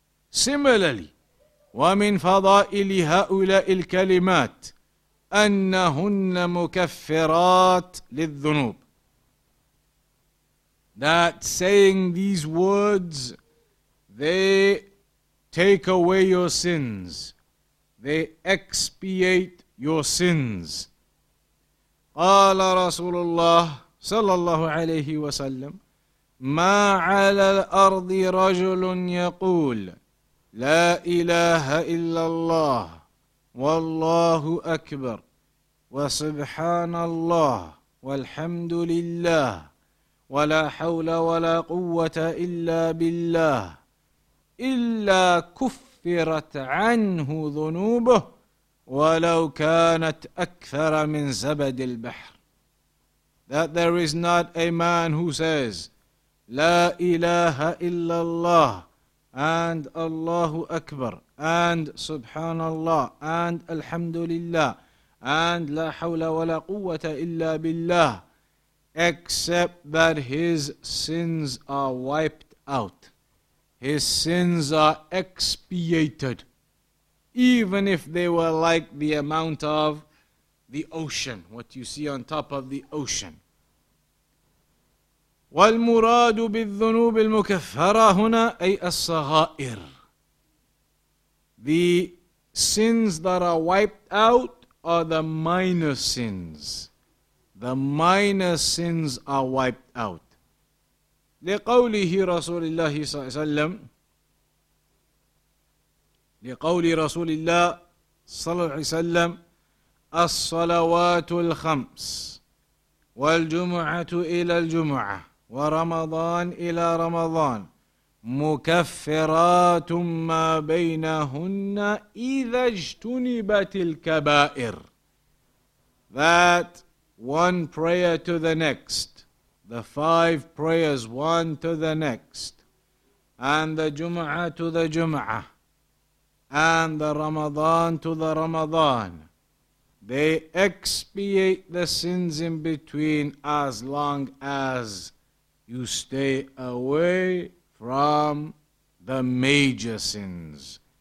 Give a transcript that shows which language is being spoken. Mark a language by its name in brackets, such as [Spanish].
[Arabic] Similarly, وَمِنْ فَضَائِلِ هَؤُلَاءِ الْكَلِمَاتِ أَنَّهُنَّ مُكَفِّرَاتٍ لِلذُّنُوبِ. [English] That saying these words, they take away your sins. They expiate your sins. [Arabic] قَالَ رَسُولُ اللَّهِ صَلَّى اللَّهُ عَلَيْهِ وَسَلَّمْ مَا عَلَى الْأَرْضِ رَجُلٌ يَقُولُ لا إله إلا الله والله أكبر وسبحان الله والحمد لله ولا حول ولا قوة إلا بالله إلا كفرت عنه ذنوبه ولو كانت أكثر من زبد البحر. [English] That there is not a man who says لا إله إلا الله and Allahu Akbar, and Subhanallah, and Alhamdulillah, and La Hawla wa La Quwwata Illa Billah, except that his sins are wiped out. His sins are expiated, even if they were like the amount of the ocean, what you see on top of the ocean. [Arabic] والمراد بالذنوب المكفرة هنا أي الصغائر. [English] The sins that are wiped out are the minor sins. The minor sins are wiped out. [Arabic] لقوله رسول الله صلى الله عليه وسلم لقول رسول الله صلى الله عليه وسلم الصلوات الخمس والجمعة إلى الجمعة ورمضان إلى رمضان مكفرات ما بينهن إذا اجتنبت الكبائر. [English] That one prayer to the next, the five prayers one to the next, and the Jum'ah to the Jum'ah, and the Ramadan to the Ramadan, they expiate the sins in between as long as you stay away from the major sins.